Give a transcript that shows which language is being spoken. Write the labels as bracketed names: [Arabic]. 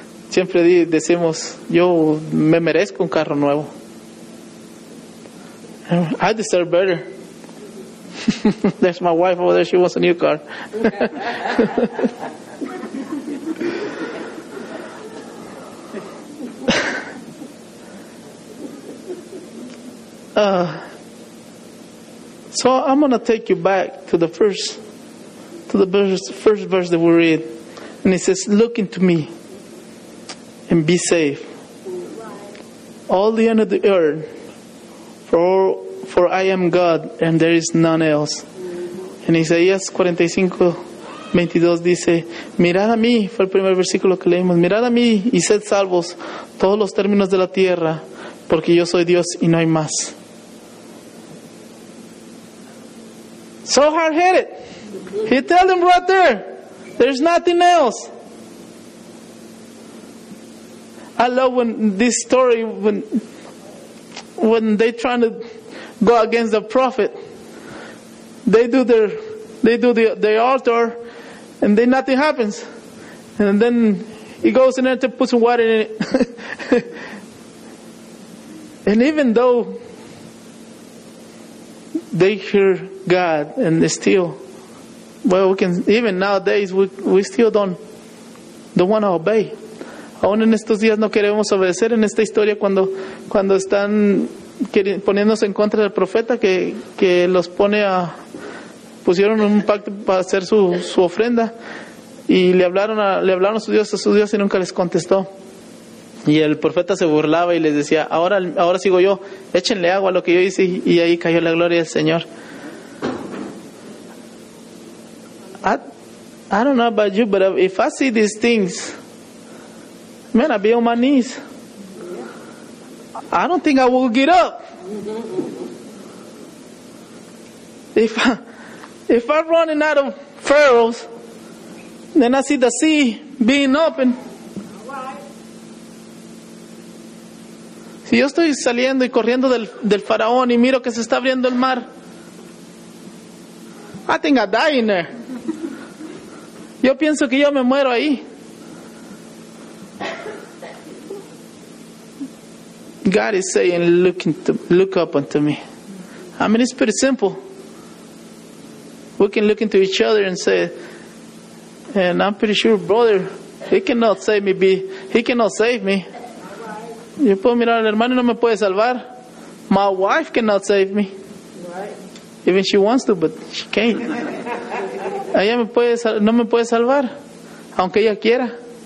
[Spanish] Siempre decimos, yo me merezco un carro nuevo. [English] I deserve better. There's my wife over there. She wants a new car. So I'm going to take you back to the first verse that we read. And it says, look into me and be safe. All the end of the earth, for I am God and there is none else. In Isaías 45, [Spanish] 22 dice, mirad a mí, fue el primer versículo que leímos, mirad a mí y sed salvos todos los términos de la tierra, porque yo soy Dios y no hay más. [English] So hard headed. He tell them right there, there's nothing else. I love when this story, when they trying to go against the prophet, they do the altar, and then nothing happens. And then he goes in there to put some water in it. And even though they hear God, and still, well, we can, even nowadays, we still don't want to obey. [Spanish] Aún en estos días no queremos obedecer en esta historia cuando están poniéndose en contra del profeta que los pone a, pusieron un pacto para hacer su ofrenda y le hablaron a su Dios y nunca les contestó. Y el profeta se burlaba y les decía, ahora sigo yo, échenle agua a lo que yo hice, y ahí cayó la gloria del Señor. [English] I don't know about you, but if I see these things, man, I'd be on my knees. I don't think I will get up. If I'm running out of furrows, then I see the sea being open. [Spanish] Si yo estoy saliendo y corriendo del faraón y miro que se está abriendo el mar, [English] I think I die in there. [Spanish] Yo pienso que yo me muero ahí. [English] God is saying, look up unto me. I mean, it's pretty simple. We can look into each other and say, and I'm pretty sure, brother, he cannot save me. [Spanish] Yo puedo mirar al hermano y no me puede salvar. [English] My wife cannot save me. Even she wants to, but she can't. [Spanish] Ella no me puede salvar, aunque ella quiera.